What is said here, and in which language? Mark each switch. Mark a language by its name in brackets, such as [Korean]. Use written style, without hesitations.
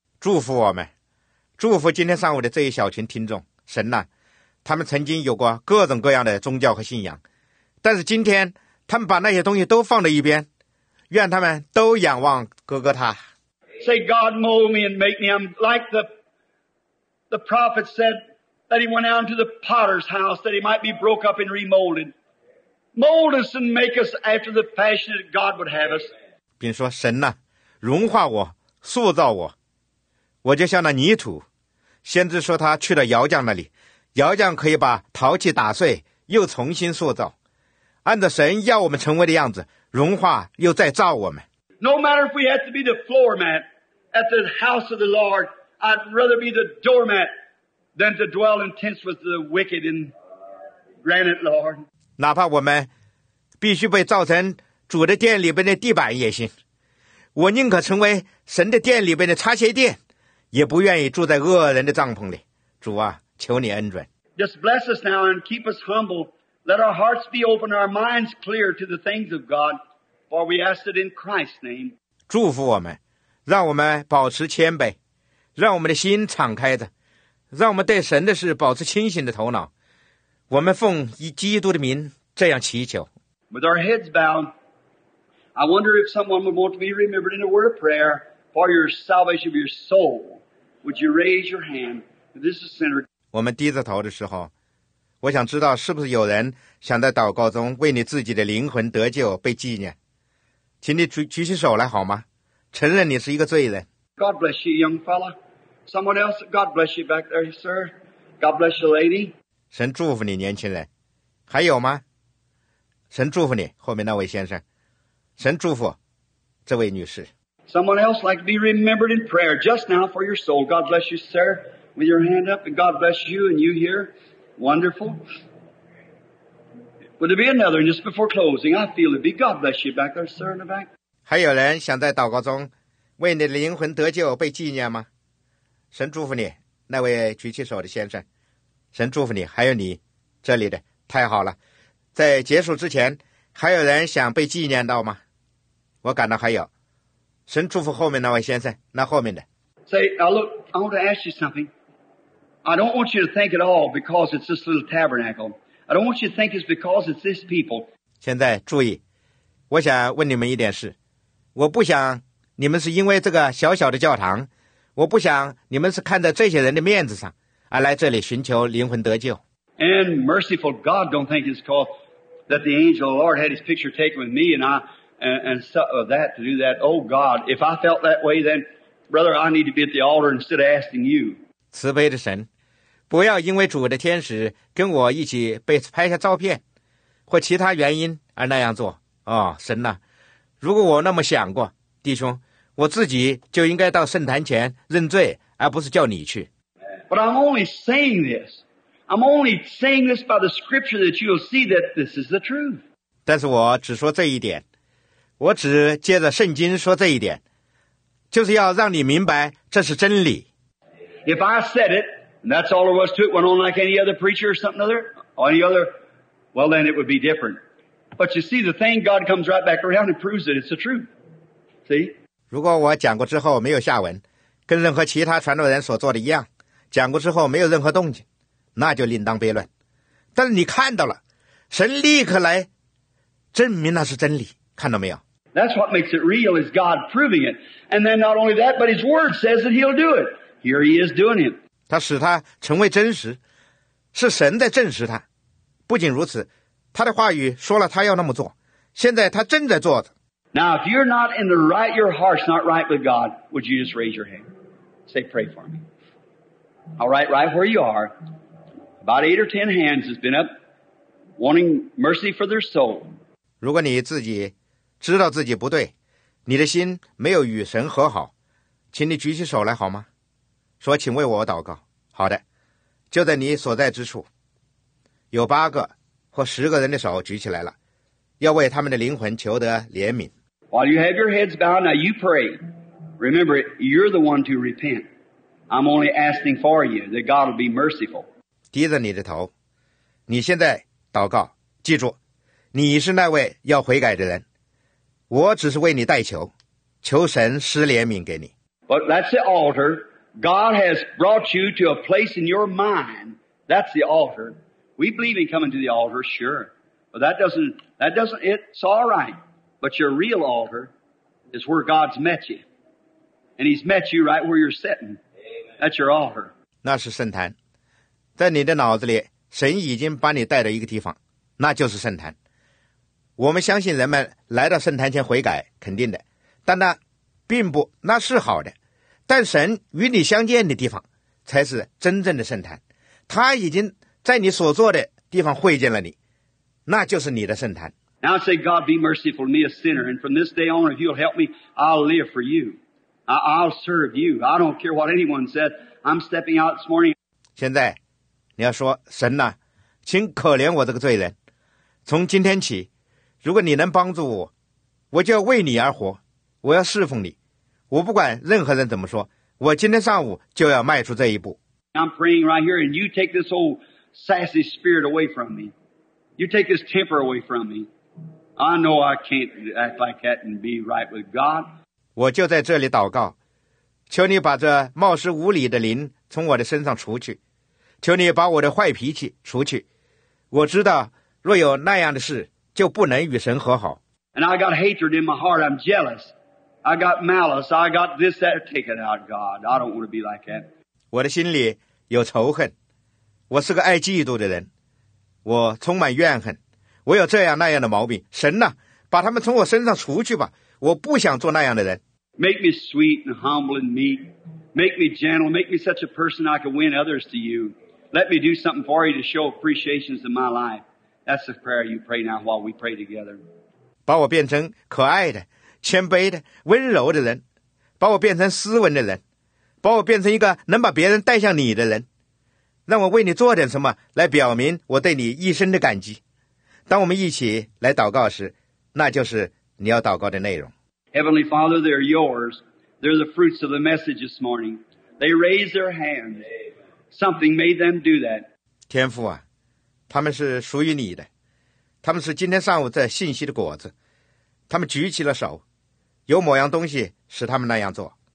[Chinese] 祝福我们，祝福今天上午的这一小群听众。神呐，他们曾经有过各种各样的宗教和信仰，但是今天他们把那些东西都放在一边。愿他们都仰望哥哥他。 [English] Say God mold me and make me. I'm like the prophet said that he went out into the potter's house that he might be broke up and remolded. Mold us and make us after the fashion that God would have us. [Chinese] 并说神呐、啊，融化我，塑造我，我就像那泥土。先知说他去了窑匠那里，窑匠可以把陶器打碎，又重新塑造，按照神要我们成为的样子。融化又再造我们。 [English] No matter if we had to be the floor mat at the house of the Lord, I'd rather be the doormat than to dwell in tents with the wicked in granite, Lord. [Chinese] 哪怕我们必须被造成主的殿里边的地板也行，我宁可成为神的殿里边的擦鞋垫，也不愿意住在恶人的帐篷里。主啊，求你恩准。 [English] Just bless us now and keep us humble. Let our hearts be open, our minds clear to the things of God, for we ask it in Christ's name. [Chinese] 祝福我们，让我们保持谦卑，让我们的心敞开着，让我们对神的事保持清醒的头脑。我们奉基督的名这样祈求。 [English] With our heads bowed, I wonder if someone would want to be remembered in a word of prayer for your salvation of your soul. Would you raise your hand? This is sinner. [Chinese] 我们低着头的时候，我想知道是不是有人想在祷告中为你自己的灵魂得救被纪念，请你 举起手来好吗？承认你是一个罪人。 [English] God bless you, young fella. Someone else, God bless you back there, sir. God bless you, lady. [Chinese] 神祝福你，年轻人。还有吗？神祝福你，后面那位先生。神祝福这位女士。 [English] Someone else like to be remembered in prayer just now for your soul. God bless you, sir, with your hand up, and God bless you and you here. Wonderful. Would there be another? Just before closing, I feel it. Be God bless you back there, sir, in the back. [Chinese] 还有人想在祷告中为你的灵魂得救被纪念吗？神祝福你，那位举起手的先生。神祝福你，还有你这里的，太好了。在结束之前，还有人想被纪念到吗？我感到还有。神祝福后面那位先生，那后面的。 [English] Say, now look, I want to ask you something. I don't want you to think at all because it's this little tabernacle. I don't want you to think it's because it's this people. [Chinese] 现在注意，我想问你们一点事。我不想你们是因为这个小小的教堂，我不想你们是看在这些人的面子上而来这里寻求灵魂得救。 [English] And merciful God don't think it's because that the angel of the Lord had his picture taken with me and that to do that. Oh God, if I felt that way, then brother, I need to be at the altar instead of asking you. [Chinese] 慈悲的神，不要因为主的天使跟我一起被拍下照片，或其他原因而那样做。哦，神呐、啊，如果我那么想过，弟兄，我自己就应该到圣坛前认罪，而不是叫你去。 [English] But I'm only saying this. I'm only saying this by the scripture that you'll see that this is the truth. [Chinese] 但是我只说这一点，我只借着圣经说这一点，就是要让你明白这是真理。 [English] If I said it, and that's all there was to it, went on like any other preacher or something other, or any other, well then it would be different. But you see, the thing, God comes right back around and proves it, it's the truth. See? [Chinese] 如果我讲过之后没有下文，跟任何其他传道人所做的一样，讲过之后没有任何动静，那就另当别论。但是你看到了，神立刻来证明那是真理，看到没有？ [English] That's what makes it real is God proving it. And then not only that, but His word says that He'll do it. Here He is doing it. [Chinese] 他使他成为真实，是神在证实他。不仅如此，他的话语说了他要那么做，现在他正在做着。 [English] Now, if you're not in the right, your heart's not right with God, would you just raise your hand? Say, pray for me. All right, right where you are. About 8 or 10 hands has been up wanting mercy for their soul. [Chinese] 如果你自己知道自己不对，你的心没有与神和好，请你举起手来好吗？说，请为我祷告。好的，就在你所在之处，有8个或10个人的手举起来了。要为他们的灵魂求得怜悯。 [English] While you have your heads bowed, now you pray. Remember, you're the one to repent. I'm only asking for you that God will be merciful. [Chinese] 低着你的头，你现在祷告，记住，你是那位要悔改的人。我只是为你代求，求神施怜悯给你。 [English] But that's the altar. God has brought you to a place in your mind. That's the altar. We believe in coming to the altar, sure. But that doesn't, it's all right. But your real altar is where God's met you. And He's met you right where you're sitting. That's your altar. [Chinese] 那是圣坛。在你的脑子里，神已经把你带到一个地方，那就是圣坛。我们相信人们来到圣坛前悔改，肯定的。但那并不，那是好的。但神与你相见的地方，才是真正的圣坛。他已经在你所坐的地方会见了你。那就是你的圣坛。 [English] Now say, God, be merciful to me, a sinner, and from this day on, if you'll help me, I'll live for you. I'll serve you. I don't care what anyone said. I'm stepping out this morning. [Chinese] 现在，你要说，神呐，请可怜我这个罪人。从今天起，如果你能帮助我，我就要为你而活。我要侍奉你。我不管任何人怎么说，我今天上午就要迈出这一步。 [English] I'm praying right here, and you take this old sassy spirit away from me. You take this temper away from me. I know I can't act like that and be right with God. [Chinese] 我就在这里祷告，求你把这冒失无礼的灵从我的身上除去，求你把我的坏脾气除去。我知道若有那样的事，就不能与神和好。 [English] And I got hatred in my heart. I'm jealous. I got malice. I got this, that. Take it out, God. I don't want to be like that. [Chinese] 我的心里有仇恨，我是个爱嫉妒的人。我充满怨恨，我有这样那样的毛病。神呐、啊，把他们从我身上除去吧！我不想做那样的人。 [English] Make me sweet and humble and meek. Make me gentle. Make me such a person I can win others to you. Let me do something for you to show appreciations in my life. That's the prayer you pray now while we pray together. [Chinese] 把我变成可爱的、谦卑的、温柔的人，把我变成斯文的人，把我变成一个能把别人带向你的人。让我为你做点什么来表明我对你一生的感激。当我们一起来祷告时，那就是你要祷告的内容。 [English] Heavenly Father, they're yours. They're the fruits of the message this morning. They raised their hands. Something made them do that. [Chinese] 天父啊，他们是属于你的，他们是今天上午这信息的果子。他们举起了手，有某样东西使他们那样做。